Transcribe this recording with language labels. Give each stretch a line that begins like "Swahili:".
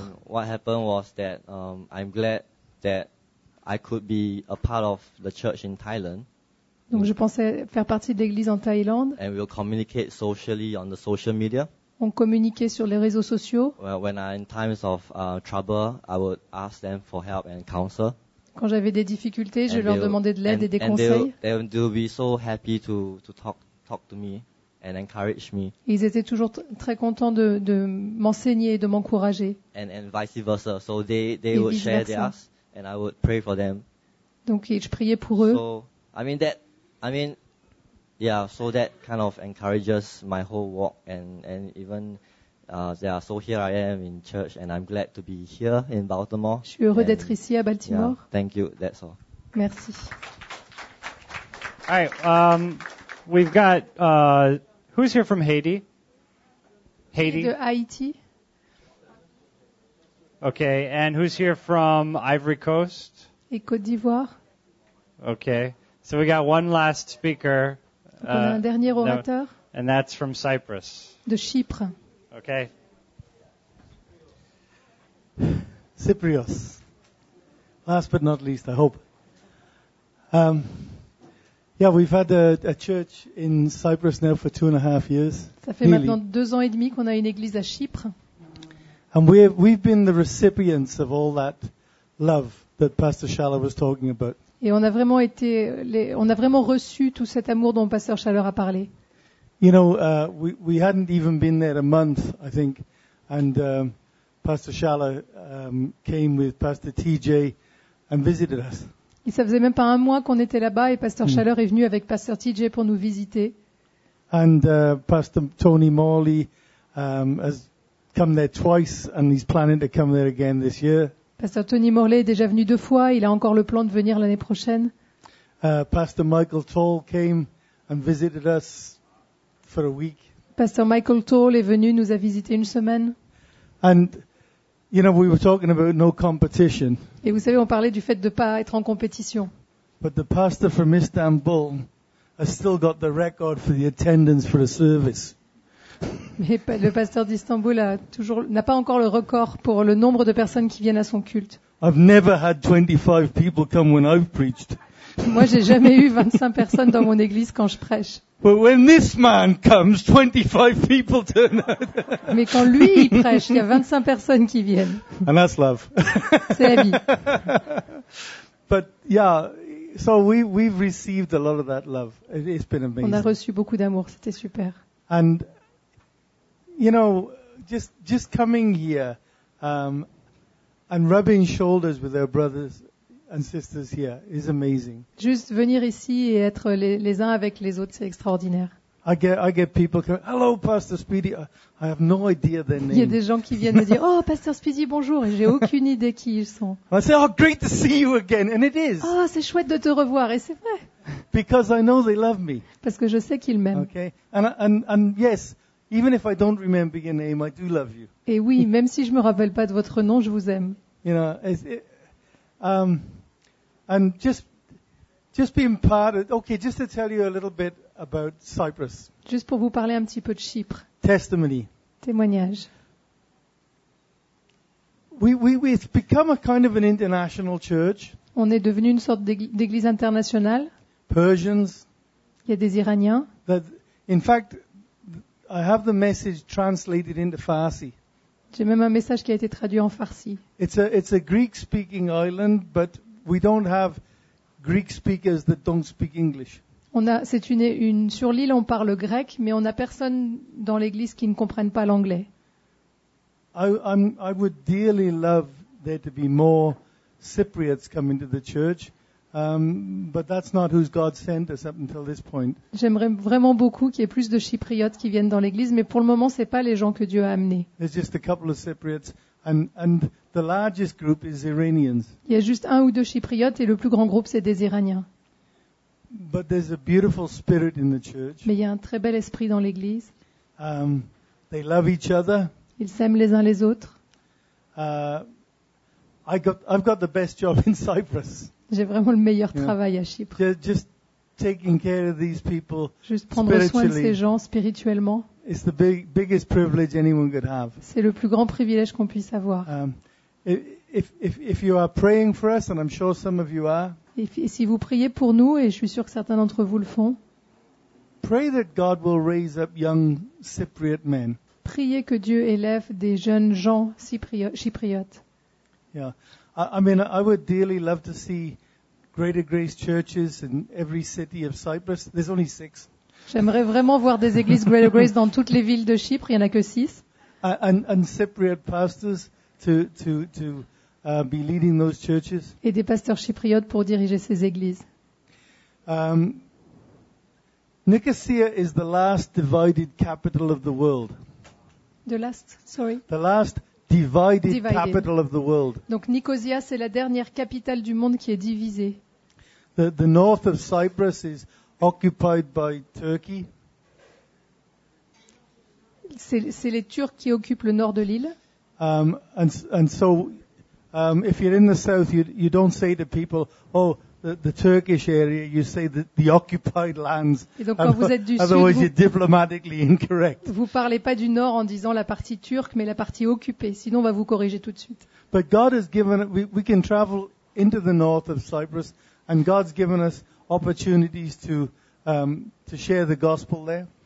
English: And what happened was that I'm glad that I could be a part of the church in Thailand.
French: Donc je pensais faire partie de l'église en Thaïlande.
English: And we'll communicate socially on the social media.
French: On communiquait sur les réseaux sociaux.
English: When I'm in times of trouble, I would ask them for help and counsel.
French: Quand j'avais des difficultés, je
English: and
French: leur demandais de l'aide et des
English: and
French: conseils.
English: They'll be so happy to talk to me and encourage me.
French: Ils étaient toujours très contents de m'enseigner et de m'encourager.
English: And vice versa, so they would share theirs and I would pray for them.
French: Donc je priais pour eux.
English: So that kind of encourages my whole walk and even so here I am in church and I'm glad to be here in Baltimore.
French: Je suis heureux d'être ici à Baltimore.
English: Yeah, thank you, that's all.
French: Merci.
English: All right, we've got who's here from Haiti? Haiti?
French: De Haïti.
English: Okay, and who's here from Ivory Coast?
French: Et Côte d'Ivoire.
English: Okay. So we got one last speaker.
French: On a un dernier orateur.
English: No, and that's from Cyprus.
French: De Chypre.
English: Okay. Cyprios. Last but not least, I hope. We've had a church in Cyprus now for 2.5 years.
French: Ça fait maintenant 2 ans et demi qu'on a une église à Chypre.
English: And we've been the recipients of all that love that Pastor Schaller was talking about.
French: Et on a vraiment été, on a vraiment reçu tout cet amour dont Pasteur Chaleur a parlé.
English: You know, we hadn't even been there a month, I think, and Pastor Chaleur came with Pastor TJ and visited us.
French: Et ça faisait même pas un mois qu'on était là-bas et Pasteur Chaleur est venu avec Pasteur TJ pour nous visiter.
English: And Pastor Tony Morley has come there twice and he's planning to come there again this year.
French: Pasteur Tony Morley est déjà venu deux fois, il a encore le plan de venir l'année prochaine.
English: Pastor Michael Toll came and visited us for a week.
French: Pasteur Michael Toll est venu nous a visité une semaine.
English: And you know, we were talking about no competition.
French: Et vous savez, on parlait du fait de pas être en compétition.
English: But the pastor from Istanbul has still got the record for the attendance for a service.
French: Mais le pasteur d'Istanbul n'a pas encore le record pour le nombre de personnes qui viennent à son culte.
English: I've never had 25 people come when I've preached.
French: Moi, j'ai jamais eu 25 personnes dans mon église quand je prêche.
English: But when this man comes, 25 people turn up.
French: Mais quand lui il prêche, il y a 25 personnes qui viennent.
English: And that's love.
French: C'est la vie.
English: But yeah, so we've received a lot of that love. It's been amazing.
French: On a reçu beaucoup d'amour, c'était super.
English: And you know, just coming here and rubbing shoulders with our brothers and sisters here is amazing.
French: Juste venir ici et être les uns avec les autres, c'est extraordinaire.
English: I get people coming, hello Pastor Speedy. I have no idea their name.
French: Il y a des gens qui viennent me dire, oh Pastor Speedy, bonjour, et j'ai aucune idée qui ils sont.
English: I say, oh great to see you again, and it is.
French: Oh, c'est chouette de te revoir, et c'est vrai.
English: Because I know they love me.
French: Parce que je sais qu'ils m'aiment.
English: Okay, and yes, even if I don't remember your name, I do love you.
French: Et oui, même si je me rappelle pas de votre nom, je vous aime.
English: You know, and just being part of, okay, just to tell you a little bit about Cyprus.
French: Juste pour vous parler un petit peu de Chypre.
English: Testimony.
French: Témoignage.
English: We've become a kind of an international church.
French: On est devenu une sorte d'église internationale.
English: Persians.
French: Il y a des Iraniens.
English: That, in fact, I have the message translated into Farsi.
French: J'ai même un message qui a été traduit en farsi.
English: It's a Greek speaking island, but we don't have Greek speakers that don't speak English.
French: C'est une sur l'île on parle grec, mais on a personne dans l'église qui ne comprenne pas l'anglais.
English: I would dearly love there to be more Cypriots coming to the church. But that's not who God sent us up until this point.
French: J'aimerais vraiment beaucoup qu'il y ait plus de Chypriotes qui viennent dans l'église, mais pour le moment, c'est pas les gens que Dieu a amenés.
English: There's just a couple of Cypriots, and the largest group is Iranians.
French: Il y a juste un ou deux Chypriotes, et le plus grand groupe, c'est des Iraniens.
English: But there's a beautiful spirit in the church.
French: Mais il y a un très bel esprit dans l'église.
English: They love each other.
French: Ils s'aiment les uns les autres.
English: I've got the best job in Cyprus.
French: J'ai vraiment le meilleur travail à Chypre.
English: Just taking care of these people.
French: Juste prendre soin de ces gens spirituellement.
English: It's the biggest privilege anyone could have.
French: C'est le plus grand privilège qu'on puisse avoir.
English: If you are praying for us, and I'm sure some of you are.
French: Et si vous priez pour nous, et je suis sûr que certains d'entre vous le font.
English: Pray that God will raise up young Cypriot men.
French: Priez que Dieu élève des jeunes gens chypriotes.
English: Yeah. I mean, I would dearly love to see Greater Grace churches in every city of Cyprus. There's only six.
French: J'aimerais vraiment voir des églises Greater Grace dans toutes les villes de Chypre. Il y en a que six.
English: And Cypriot pastors to be leading those churches.
French: Et des pasteurs chypriotes pour diriger ces églises.
English: Nicosia is the last divided capital of the world. The last divided capital of the world.
French: Donc Nicosia, c'est la dernière capitale du monde qui est divisée.
English: The north of Cyprus is occupied by Turkey.
French: C'est les Turcs qui occupent le nord de l'île.
English: And so if you're in the south, you don't say to people, oh, the Turkish area, you say the occupied lands.
French: Et donc quand vous êtes du sud,
English: otherwise you're diplomatically incorrect.
French: Vous parlez pas du nord en disant la partie turque, mais la partie occupée. Sinon, on va vous corriger tout de suite.
English: But God has given us, we can travel into the north of Cyprus, and God's given us opportunities to share the gospel there.